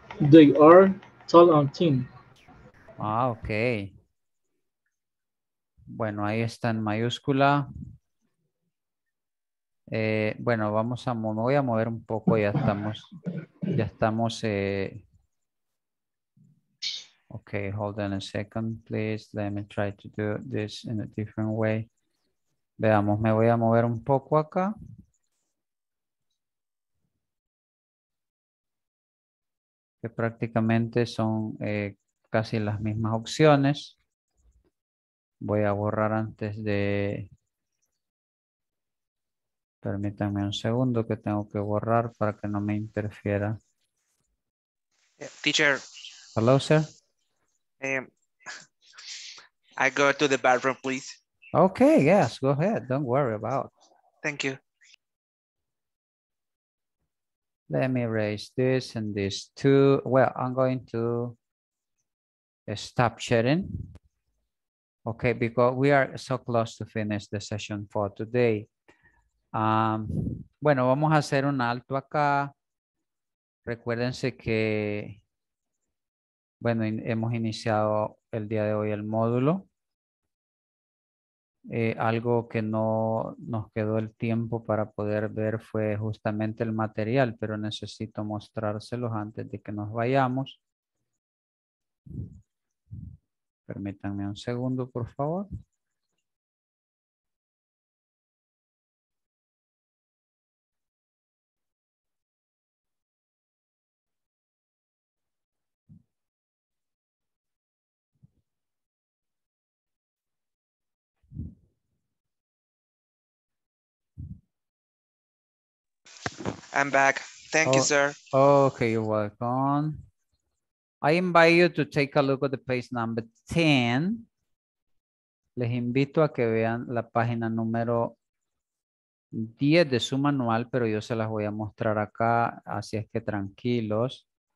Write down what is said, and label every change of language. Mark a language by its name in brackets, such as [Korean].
[English] They are tall and thin. [Spanish] Ah, ok. Bueno, ahí está en mayúscula. Bueno, vamos a me voy a mover un poco, ya estamos. [English] Okay, hold on a second, please. Let me try to do this in a different way. [Spanish] Veamos, me voy a mover un poco acá. Que prácticamente son casi las mismas opciones. Voy a borrar antes de... Permítanme un segundo que tengo que borrar para que no me interfiera. [English] Teacher. Hello, sir. I go to the bathroom, please. Okay, yes, go ahead. Don't worry about it. Thank you. Let me erase this and this too. Well, I'm going to stop sharing. Okay, because we are so close to finish the session for today. [Spanish] Bueno, vamos a hacer un alto acá. Recuérdense que, bueno, hemos iniciado el día de hoy el módulo. Algo que no nos quedó el tiempo para poder ver fue justamente el material, pero necesito mostrárselos antes de que nos vayamos. Permítanme un segundo, por favor. [English] I'm back. Thank you, sir. Okay, you're welcome. I invite you to take a look at the page number 10. [Spanish] Les invito a que vean la página número 10 de su manual, pero yo se las voy a mostrar acá, así es que tranquilos.